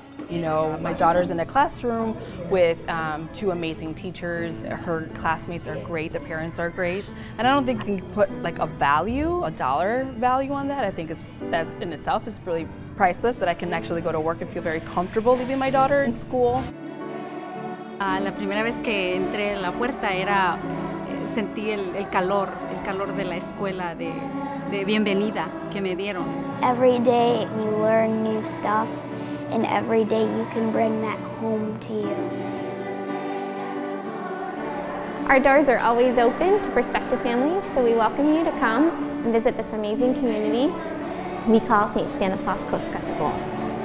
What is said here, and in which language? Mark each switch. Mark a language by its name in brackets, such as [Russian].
[English] You know, my daughter's in a classroom with two amazing teachers. Her classmates are great, the parents are great. And I don't think you can put like a value, a dollar value on that. I think that in itself is really priceless, that I can actually go to work and feel very comfortable leaving my daughter in school. [Spanish] La primera vez que entré en la puerta era sentí el calor de la escuela de bienvenida que me dieron. [English] Every day you learn new stuff, and every day you can bring that home to you. Our doors are always open to prospective families, so we welcome you to come and visit this amazing community we call St. Stanislaus Kostka School.